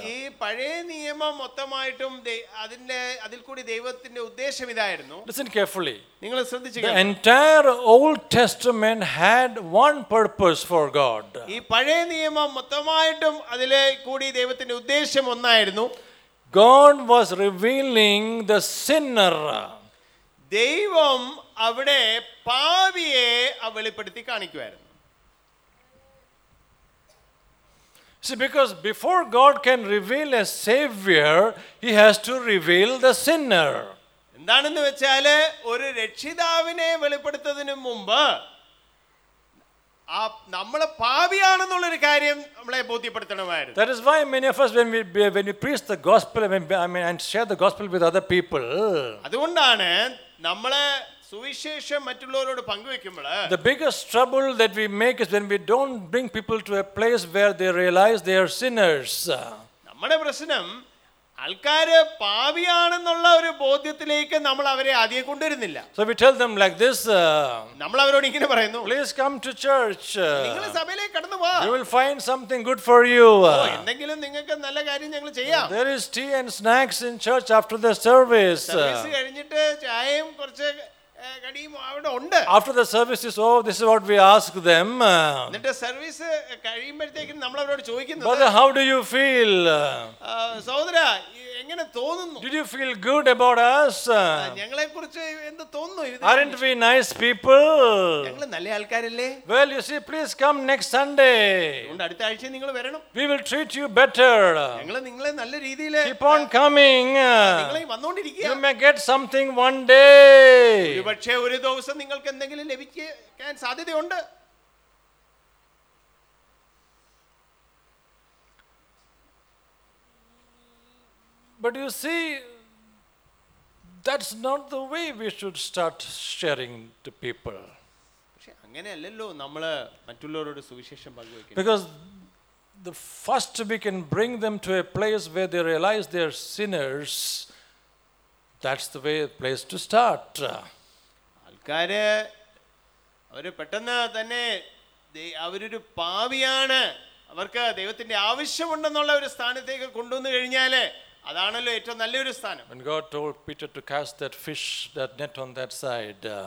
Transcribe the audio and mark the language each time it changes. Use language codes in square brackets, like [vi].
[ml] ഈ പഴയ നിയമം മൊത്തമായിട്ടും അതിന്റെ അതിൽ കൂടി ദൈവത്തിന്റെ ഉദ്ദേശം ഇതായിരുന്നു. [en] Listen carefully. [ml] നിങ്ങൾ ശ്രദ്ധിച്ചു. [en] The entire Old Testament had one purpose for God. [ml] ഈ പഴയ നിയമം മൊത്തമായിട്ടും അതിൽ കൂടി ദൈവത്തിന്റെ ഉദ്ദേശം ഒന്നായിരുന്നു. [en] God was revealing the sinner. [ml] ദൈവം അവിടെ പാപിയെ വെളിപ്പെടുത്തി കാണിക്കുകയായിരുന്നു. [en] See, because before God can reveal a savior, he has to reveal the sinner. [ml] എന്താണെന്ന് വെച്ചാൽ ഒരു രക്ഷിതാവിനെ വെളിപ്പെടുത്തുന്നതിനു മുമ്പ് നമ്മള് പാപിയാണെന്നുള്ള ഒരു കാര്യം നമ്മളെ ബോധ്യപ്പെടുത്തണമായിരുന്നു. [en] That is why many of us when we preach the gospel and share the gospel with other people, [ml] അതുകൊണ്ടാണ് നമ്മള് സുവിശേഷം മറ്റുള്ളവരോട് പങ്കുവെക്കുമ്പോൾ [en] the biggest trouble that we make is when we don't bring people to a place where they realize they are sinners. [ml] നമ്മുടെ പ്രശ്നം ആൾക്കാര് പാപിയാണെന്നുള്ള ഒരു ബോധ്യത്തിലേക്ക് നമ്മൾ അവരെ ആദ്യം കൊണ്ടുവരുന്നില്ല. [en] So we tell them like this, [ml] നമ്മൾ അവരോട് ഇങ്ങനെ പറയുന്നു, [en] please come to church, [ml] നിങ്ങൾ സഭയിലേക്ക് കടന്നു വാ, [en] you will find something good for you, [ml] എന്തെങ്കിലും നിങ്ങൾക്ക് നല്ല കാര്യം ഞങ്ങൾ ചെയ്യാം. [en] There is tea and snacks in church after the service. [ml] Service കഴിഞ്ഞിട്ട് ചായയും കുറച്ച് കടിയും അവിടെ ഉണ്ട്. [en] After the service is over, this is what we ask them. [ml] എന്നിട്ട് സർവീസ് കഴിയുമ്പോഴത്തേക്കും നമ്മൾ അവരോട് ചോദിക്കുന്നത്, [en] brother, how do you feel? [ml] സഹോദരാ, എങ്ങനെ തോന്നുന്നു? [en] Did you feel good about us? [ml] ഞങ്ങളെ കുറിച്ച് എന്ത് തോന്നുന്നു? [en] Aren't we nice people? [ml] ഞങ്ങൾ നല്ല ആൾക്കാരല്ലേ? [en] Well, you see, please come next Sunday. [ml] അടുത്ത ആഴ്ച നിങ്ങൾ വരണം. [en] We will treat you better. [ml] ഞങ്ങൾ നിങ്ങളെ നല്ല രീതിയിൽ [en] keep on coming. [ml] നിങ്ങളെ വന്നുകൊണ്ടിരിക്കുക. [en] You may get something one day. [ml] പക്ഷേ ഒരു ദിവസം നിങ്ങൾക്ക് എന്തെങ്കിലും ലഭിക്കാൻ സാധ്യതയുണ്ട്. [en] But you see, that's not the way we should start sharing to people. [ml] പക്ഷേ അങ്ങനെയല്ലല്ലോ നമ്മള് മറ്റുള്ളവരോട് സുവിശേഷം പങ്കുവെക്കുന്നത്. [en] Because the first we can bring them to a place where they realize they are sinners, that's the way place to start. [ml] ആൾക്കാര് അവര് പെട്ടെന്ന് തന്നെ അവരൊരു പാപിയാണ്, അവർക്ക് ദൈവത്തിന്റെ ആവശ്യമുണ്ടെന്നുള്ള ഒരു സ്ഥാനത്തേക്ക് കൊണ്ടുവന്നു കഴിഞ്ഞാല് അതാണല്ലോ ഏറ്റവും നല്ലൊരു സ്ഥാനം. [en] When God told Peter to cast that fish, that net on that side,